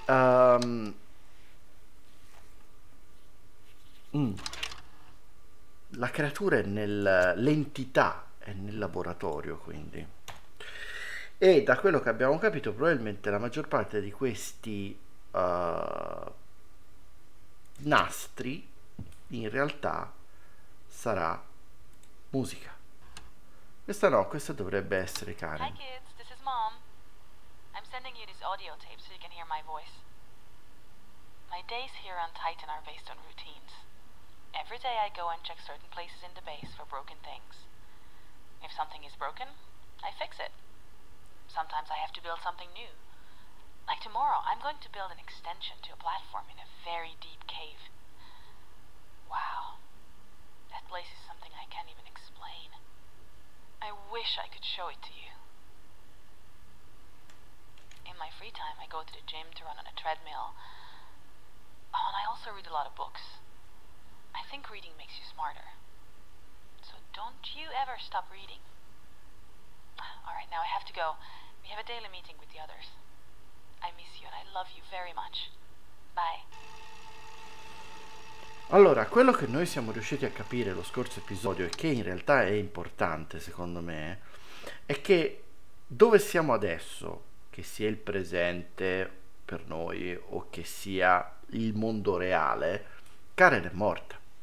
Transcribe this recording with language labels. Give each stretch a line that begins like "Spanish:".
Italian: la creatura è l'entità è nel laboratorio, quindi. E da quello che abbiamo capito, probabilmente la maggior parte di questi nastri in realtà sarà musica. Questa no, questa dovrebbe essere Karen.
English: Hi kids, this is Mom. I'm sending you this audio tape so you can hear my voice. My days here on Titan are based on routines. Every day I go and check certain places in the base for broken things. If something is broken, I fix it. Sometimes I have to build something new. Like tomorrow, I'm going to build an extension to a platform in a very deep cave. Wow. That place is something I can't even explain. I wish I could show it to you. In my free time, I go to the gym to run on a treadmill. Oh, and I also read a lot of books. I think reading makes you smarter. So don't you ever stop reading. All right, now I have to go. We have a daily meeting with the others. I miss you and I love you very much. Bye.
Italian: Allora, quello che noi siamo riusciti a capire lo scorso episodio, e che in realtà è importante secondo me, è che dove siamo adesso, che sia il presente per noi o che sia il mondo reale, Karen è morta.